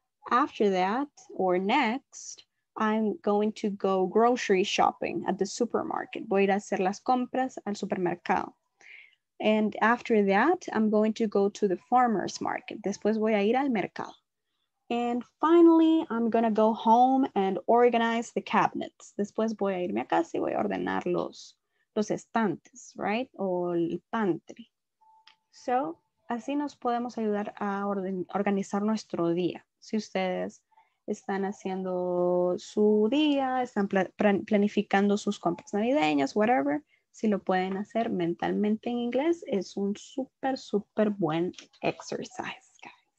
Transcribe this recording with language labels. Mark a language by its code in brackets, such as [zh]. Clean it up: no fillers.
[en] After that, or next, I'm going to go grocery shopping at the supermarket. [es] Voy a ir a hacer las compras al supermercado. [en] And after that, I'm going to go to the farmer's market. [es] Después voy a ir al mercado. [en] And finally, I'm going to go home and organize the cabinets. [es] Después voy a irme a casa y voy a ordenar los estantes, right? O el pantry. So, así nos podemos ayudar a organizar nuestro día. Si ustedes están haciendo su día, están planificando sus compras navideñas, whatever, si lo pueden hacer mentalmente en inglés, es un súper, súper buen exercise, guys.